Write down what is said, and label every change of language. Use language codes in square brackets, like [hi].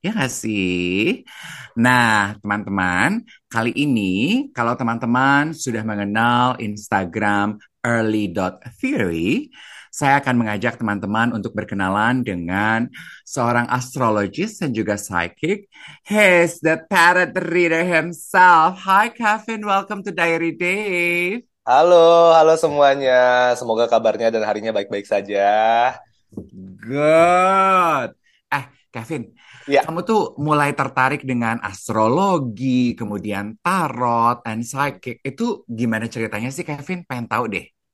[id] Ya gak sih? Nah, teman-teman, kali ini kalau teman-teman sudah mengenal Instagram early.theory, saya akan mengajak teman-teman untuk berkenalan dengan seorang astrologis dan juga psychic. [en] He's the tarot reader himself. Hi Kevin, welcome to Diary Dave. [id] Halo, halo semuanya. Semoga kabarnya dan harinya baik-baik saja. [en] Good. Kevin, yeah. [id] Kamu tuh mulai tertarik dengan astrologi, kemudian tarot, [en] and psychic. [id] Itu gimana ceritanya sih Kevin? Pengen tahu deh.